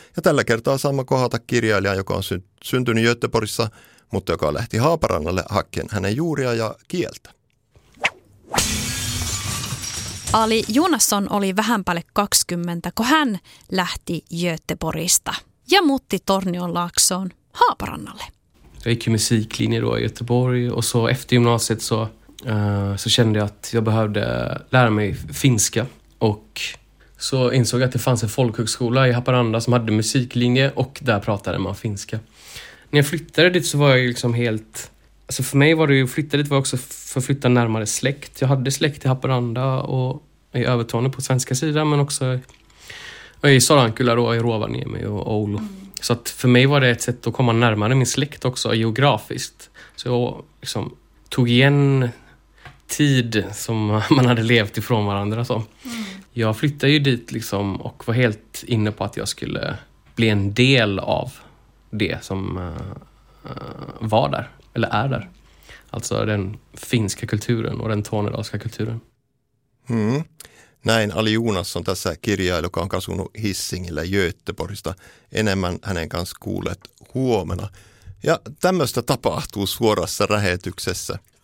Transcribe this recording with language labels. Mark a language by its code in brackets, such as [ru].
[fi] Ja tällä kertaa saamme kohdata kirjailijan, joka on syntynyt Göteborgissa, mutta joka lähti Haaparannalle hakkeen hänen juuria ja kieltä. Ali Jonasson oli vähän päälle 20, kun hän lähti Göteborgista ja muutti Tornionlaaksoon Haaparannalle. [sv] Jag gick musiklinje då i Göteborg och så efter gymnasiet så kände jag att jag behövde lära mig finska. Och så insåg jag att det fanns en folkhögskola i Haparanda som hade musiklinje och där pratade man finska. När jag flyttade dit så var jag liksom helt... Alltså för mig var det ju flytta dit var också för att flytta närmare släkt. Jag hade släkt i Haparanda och i Övertorne på svenska sidan men också i Sorankula då, i Rovaniemi och Oulu. Så att för mig var det ett sätt att komma närmare min släkt också geografiskt. Så jag liksom tog igen tid som man hade levt ifrån varandra. Så. Jag flyttade ju dit liksom och var helt inne på att jag skulle bli en del av det som var där. Eller är där. Alltså den finska kulturen och den tornedalska kulturen. Mm. [fi] Näin Ali Jonasson tässä kirjailija, joka on kasunut Hisingillä Göteborgista. Enemmän hänen kanssa kuulet huomenna. Ja tämmöistä tapahtuu suorassa lähetyksessä.